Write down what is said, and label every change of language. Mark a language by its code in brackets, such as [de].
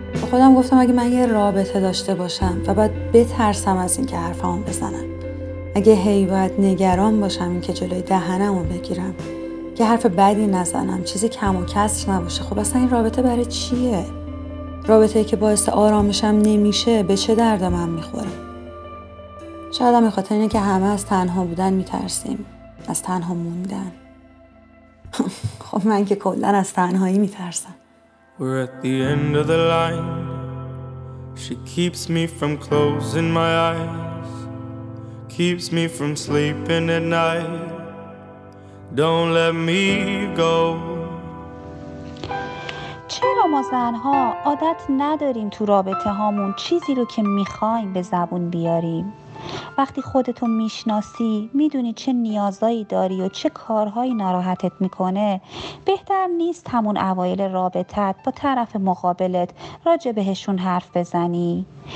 [fa] خودم گفتم اگه من یه رابطه داشته باشم و بعد بترسم از این که حرفامو بزنم، اگه هی باید نگران باشم این که جلوی دهنمو بگیرم که حرف بدی نزنم، چیزی کم و کسر نباشه، خب اصلا این رابطه برای چیه؟ رابطه‌ای که باعث آرامشم نمیشه به چه درد من میخوره؟ شاید هم به خاطر اینه که همه از تنها بودن میترسیم، از تنها موندن. خب من که کلن از تنهایی میترسم. [en] We're at the end of the line. She keeps me from closing my eyes, keeps me from sleeping at night. Don't let me go. [fa] چرا ما زنها عادت نداریم تو رابطه هامون چیزی رو که میخوایم به زبون بیاریم؟ وقتی خودتو میشناسی، میدونی چه نیازایی داری و چه کارهایی ناراحتت میکنه، بهتر نیست همون اوایل رابطت با طرف مقابلت راجع بهشون حرف بزنی؟